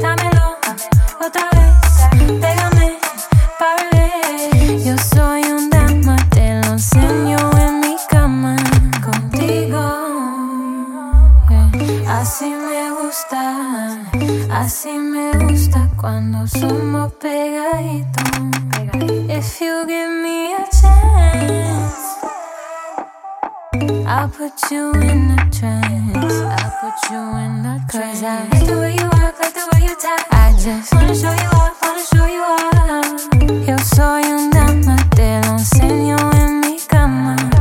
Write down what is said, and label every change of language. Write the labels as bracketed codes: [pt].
[es] dámelo otra vez, pégame pa' ver. Yo soy un dama, te lo enseño en mi cama contigo. Así me gusta, así me gusta cuando somos pegaditos. [en] If you give me a chance, I'll put you in a trance. I'll put you in a trance. Cause I like the way you walk, like the way you talk. I just wanna show you off, wanna show you off. [es] Yo soy un dama, te lo enseño en mi cama.